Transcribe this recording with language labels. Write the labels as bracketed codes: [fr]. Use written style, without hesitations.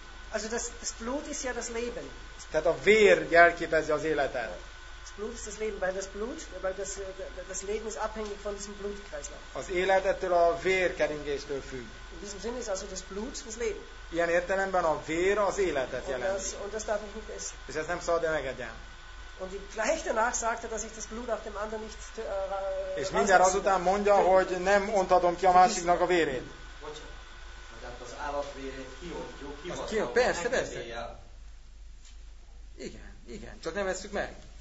[de] Also das Blut ist ja das Leben. [hu] Tehát a vér jelképezi az életet. [de] Das Blut ist das Leben, weil das Blut, weil das, das Leben ist abhängig von diesem Blutkreislauf. [hu] Az élet ettől a vérkeringéstől függ. [de] In diesem Sinne ist also das Blut das Leben. [hu] Ilyen értelemben a vér az életet jelenti. [de] Und das darf ich nicht essen. [hu] És ezt nem szabad megegyem. [de] Und gleich danach sagte, dass ich das Blut auf dem anderen nicht [hu] és mindjárt azután mondja, hogy nem ontatom ki a másiknak a vérét. Az állatvérét kiontjuk, kivasszalom, ki, igen, igen, csak nem vesszük meg.